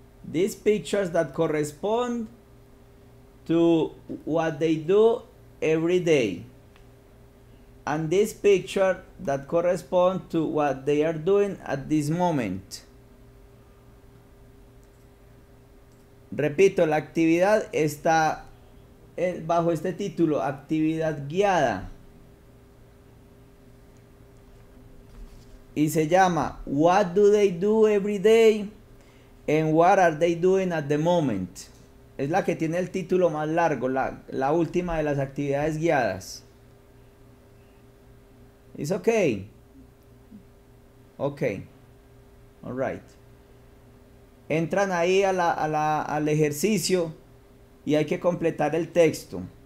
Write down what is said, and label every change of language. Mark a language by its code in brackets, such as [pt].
[en] These pictures that correspond to what they do every day. And this picture that correspond to what they are doing at this moment. [es] Repito, la actividad está bajo este título, actividad guiada. Y se llama, [en] what do they do every day and what are they doing at the moment. [es] Es la que tiene el título más largo, la última de las actividades guiadas. [en] It's okay. Okay. All right. [es] Entran ahí al ejercicio y hay que completar el texto.